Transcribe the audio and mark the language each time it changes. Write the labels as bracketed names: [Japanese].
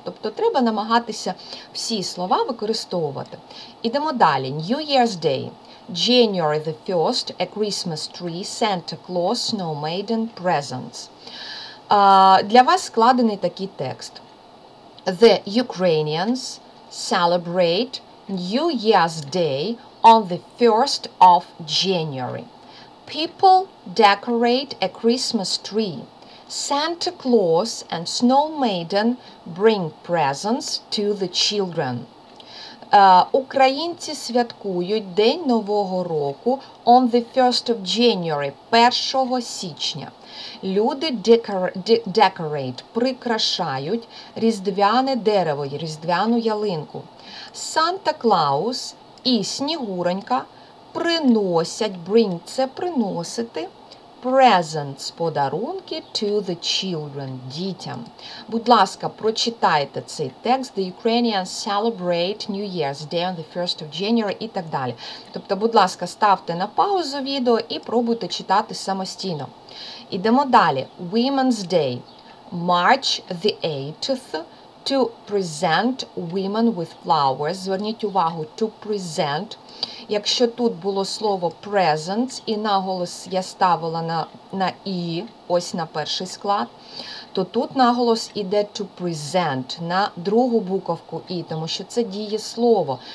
[Ukrainian] Тобто треба намагатися всі слова використовувати. Ідемо далі. [English] New Year's Day. January the 1st, a Christmas tree, Santa Claus, Snow Maiden, presents. [Ukrainian] Для вас складений такий текст. [English] The Ukrainians celebrate New Year's Day on the 1st of January. People decorate a Christmas tree. Santa Claus and Snow Maiden bring presents to the children. [Ukrainian] Українці святкують День Нового року [English] on the 1st of January, [Ukrainian] 1 січня. Люди decorate, прикрашають різдвяне дерево, різдвяну ялинку. Santa Claus і Снігуренька приносять, bring – це приносити, presents – подарунки [English] to the children [Ukrainian] – дітям. Будь ласка, прочитайте цей текст. [English] The Ukrainians celebrate New Year's Day on the 1st of January [Ukrainian] і так далі. Тобто, будь ласка, ставте на паузу відео і пробуйте читати самостійно. Ідемо далі. [English] Women's Day – March the 8th. To present women with flowers. [Ukrainian] Зверніть увагу, [English] to present. [Ukrainian] Якщо тут було слово presents і наголос я ставила на і, ось на перший склад, то тут наголос іде [English] to present, [Ukrainian] на другу буковку і, тому що це дієслово.